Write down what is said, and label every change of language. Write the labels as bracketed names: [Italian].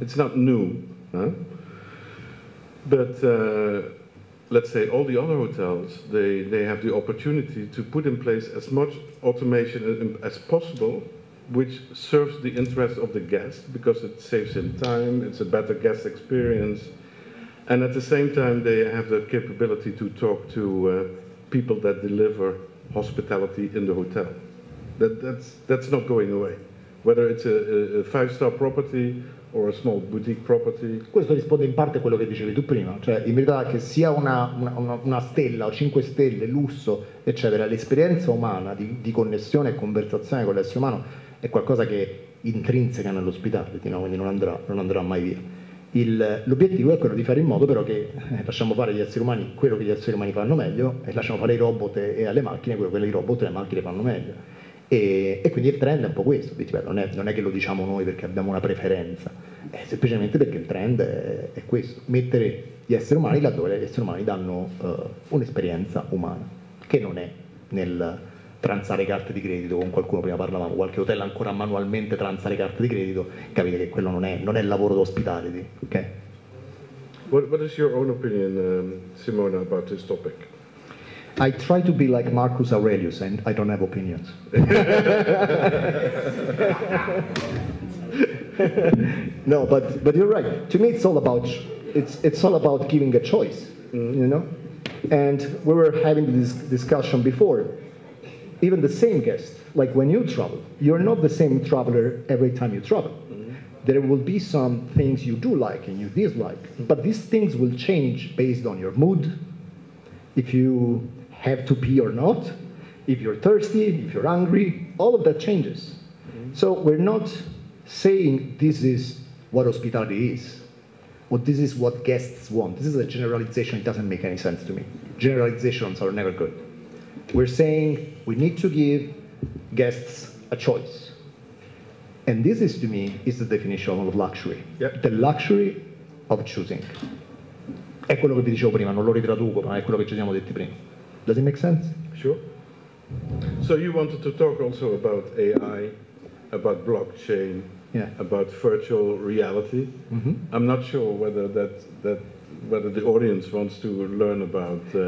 [English] It's not new, huh? But let's say all the other hotels, they have the opportunity to put in place as much automation as possible, which serves the interest of the guest because it saves him time, it's a better guest experience. And at the same time, they have the capability to talk to people that deliver hospitality in the hotel. That's not going away, whether it's a five-star property or a small boutique property. [Italian] Questo risponde in parte a quello che dicevi tu prima, cioè in verità che sia una stella o cinque stelle, lusso, eccetera, l'esperienza umana di connessione e conversazione con l'essere umano è qualcosa che intrinseca nell'ospitality, no? Quindi non andrà mai via. L'obiettivo è quello di fare in modo però che lasciamo fare agli esseri umani quello che gli esseri umani fanno meglio e lasciamo fare ai robot e alle macchine quello che i robot e le macchine fanno meglio. E quindi il trend è un po' questo, non è che lo diciamo noi perché abbiamo una preferenza, è semplicemente perché il trend è questo, mettere gli esseri umani laddove gli esseri umani danno un'esperienza umana, che non è nel transare carte di credito con qualcuno, prima parlavamo, qualche hotel ancora manualmente transare carte di credito, capite che quello non è il lavoro d'ospitality, ok? [English] What is your own opinion, Simona, about this topic? I try to be like Marcus Aurelius and I don't have opinions. No, but you're right. To me it's all about giving a choice, mm-hmm. you know? And we were having this discussion before. Even the same guest, like when you travel, you're not the same traveler every time you travel. Mm-hmm. there will be some things you do like and you dislike, but these things will change based on your mood, if you have to pee or not, if you're thirsty, if you're hungry, all of that changes. Mm-hmm. So we're not saying this is what hospitality is, or this is what guests want. This is a generalization, it doesn't make any sense to me. Generalizations are never good. We're saying we need to give guests a choice. And this is, to me, is the definition of luxury. Yep. The luxury of choosing. [Italian] È quello che vi dicevo prima, non lo ritraduco, ma è quello che ci siamo detti prima. [English] Does it make sense? Sure. So you wanted to talk also about AI, about blockchain, yeah, about virtual reality. Mm-hmm. I'm not sure whether whether the audience wants to learn about...